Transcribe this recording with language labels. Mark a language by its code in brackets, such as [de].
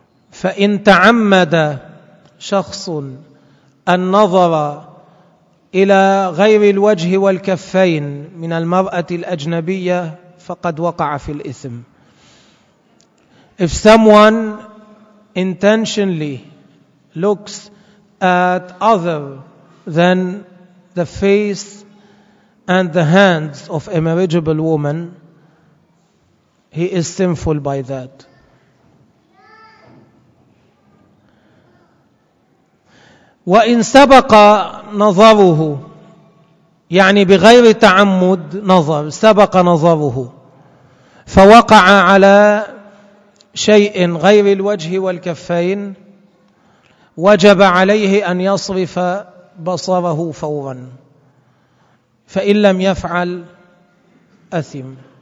[ar] فإن تعمد شخص النظر إلى غير الوجه والكفين من المرأة الأجنبية فقد وقع في الإثم. [en] If someone intentionally looks at other than the face and the hands of a marriageable woman, he is sinful by that. [ar] وإن سبق نظره يعني بغير تعمد نظر سبق نظره فوقع على شيء غير الوجه والكفين وجب عليه أن يصرف بصره فورا فإن لم يفعل أثم.